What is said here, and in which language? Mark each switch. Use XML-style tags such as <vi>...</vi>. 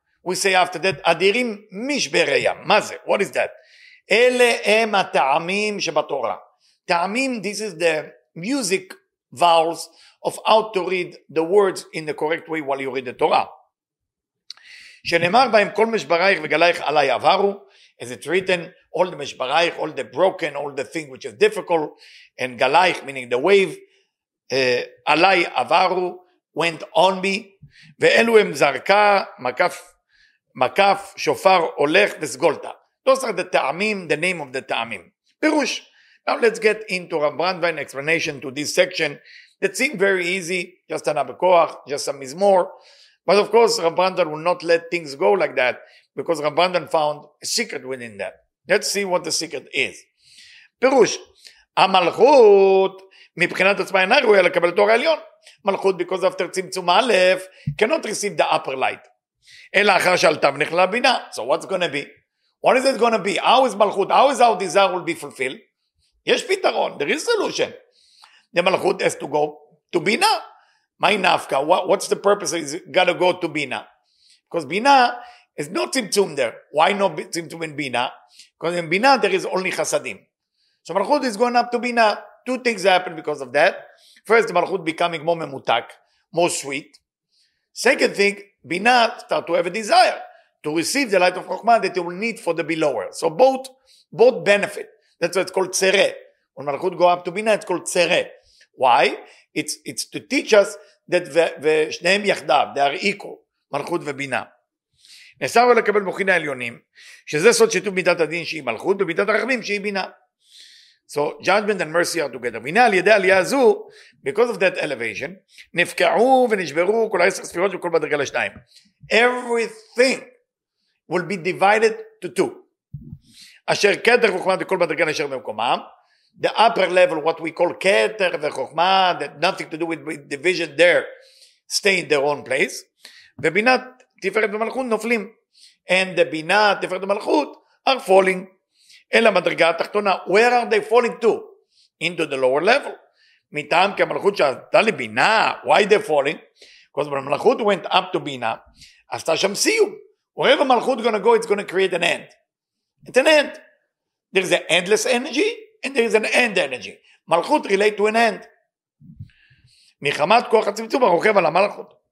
<en>We say after that,</en> <he>אדירים משברי ים. מה זה?</he> <en>What is that?</en> <he>אלה הם הטעמים שבתורה.</he> <en>טעמים, this is the music vowels of how to read the words in the correct way while you read the Torah.</en> <he>שנאמר בהם כל משברייך וגלייך עליי עברו,</he> <en>as it's written, all the משברייך, all the broken, all the thing which is difficult, and גלייך, meaning the wave, עליי עברו, went on me,</en> <he>ואלו הם זרקה, מקף, שופר, הולך וסגולתה.</he> <en>Those are the טעמים, the name of the טעמים. פירוש. Now let's get into Rav Brandwein explanation to this section that seemed very easy, just an abekoach, just some mizmor. But of course, Rav Brandwein will not let things go like that because Rav Brandwein found a secret within that. Let's see what the secret is.</en> <he>Pirush, המלכות, מבחינת עצמה אינה ראויה לקבל תואר העליון.</he> <en>מלכות, because after צמצום אלף, cannot receive the upper light.</en> <he>אלא אחר שעלתה ונכללה בינה.</he> <en>So what's going to be? What is it going to be? How is מלכות? How is our desire will be fulfilled?</en> <he>יש פתרון,</he> <en>there is solution. The מלכות has to go to Bina. My nafka, what's the purpose? It's got to go to Bina. Because Bina is no צמצום there. Why no צמצום in Bina? Because in Bina there is only חסדים. So מלכות is going up to Bina. Two things happen because of that. First, the מלכות becoming more ממותק, more sweet. Second thing, Bina start to have a desire to receive the light of חוכמה that it will need for the belower. So both benefit. That's why it's called tzere. When Malchut go up to Bina, it's called tzere. Why? It's to teach us that v'shneim yachdav, they are equal, Malchut v'bina.</en> <he>נסר ולקבל מוחין העליונים, שזה סוד שיתוף מידת הדין שהיא מלכות, ומידת הרחמים שהיא בינה.</he> <en>So judgment and mercy are together.</en> <he>והנה על ידי עלייה הזו,</he> <en>because of that elevation,</en> <he>נפקעו ונשברו כל העשר ספירות וכל בדרגה לשניים.</he> <en>Everything will be divided to two.</en> <he>אשר קטר וחוכמה בכל מדרגן אשר במקומם,</he> <en>the upper level, what we call קטר וחוכמה, that nothing to do with division there, stay in their own place,</en> <he>ובינת תפארת ומלכות נופלים,</he> <en>and the בינת תפארת ומלכות are falling,</en> <he>אלא מדרגה התחתונה,</he> <en>where are they falling to? Into the lower level,</en> <he>מטעם כי המלכות שעשתה לבינה,</he> <en>why they falling? Because when המלכות went up to בינה,</en> <he>עשתה שם סיום,</he> <en>wherever המלכות gonna go, it's gonna create an end, it's an end. There is an endless energy and there is an end energy. Malchut relate to an end.</en> <he>מחמת כוח הצמצום הרוכב על המלכות.</he>